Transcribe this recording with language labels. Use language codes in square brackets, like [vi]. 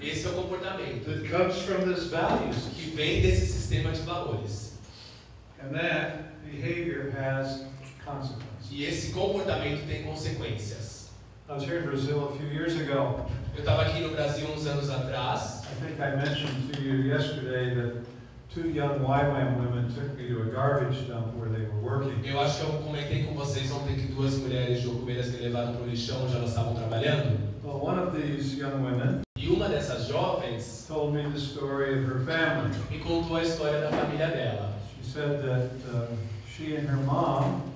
[pt] Esse é o comportamento. [en] That comes from this value. [pt] Que vem desse sistema de valores. [en] And that behavior has consequences. [pt] E esse comportamento tem consequências. [en] I was here in Brazil a few years ago. [pt] Eu estava aqui no Brasil uns anos atrás. [en] I think I mentioned to you yesterday that two young YWAM women took me to a garbage dump where they were working. [pt] Eu acho que eu comentei com vocês ontem que duas mulheres de Oeiras me levaram para o lixão onde elas estavam trabalhando. [en] Well, one of these young women, [pt] e uma dessas jovens, [en] told me the story of her family. [pt] Me contou a história da família dela. [en] She said that she and her mom,